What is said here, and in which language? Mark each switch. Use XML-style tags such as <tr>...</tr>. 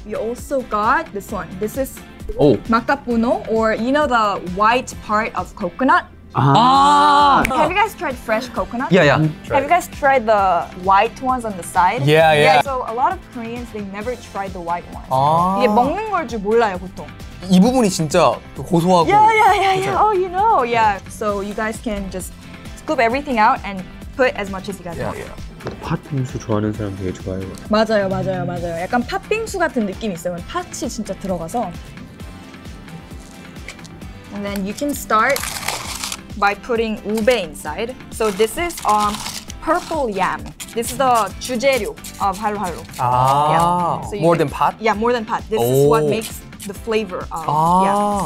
<en>You also got this one. This is makapuno, or you know the white part of coconut? Ah. Have you guys tried fresh coconut? Yeah, yeah. Have you guys tried the white ones on the side? Yeah, yeah. Yeah, so a lot of Koreans, they never tried the white ones. Ah.</en> <ko>이게 먹는 걸 줄 몰라요, 보통. 이 부분이 진짜 고소하고.</ko> <en>Yeah, yeah, yeah, yeah. Oh, you know, yeah. So you guys can just scoop everything out and put as much as you guys want. Yeah.</en> <ko>팥빙수 좋아하는 사람 되게 좋아해요. 맞아요, 맞아요, 맞아요. 약간 팥빙수 같은 느낌이 있어요. 팥이 진짜 들어가서.</ko> <en>And then you can start by putting ube inside. So this is purple yam. This is the</en> <ko>주재료</ko> <en>of halo halo. Ah, yeah. So more than pot? Yeah, more than pot. This is what makes the flavor of, yeah.</en>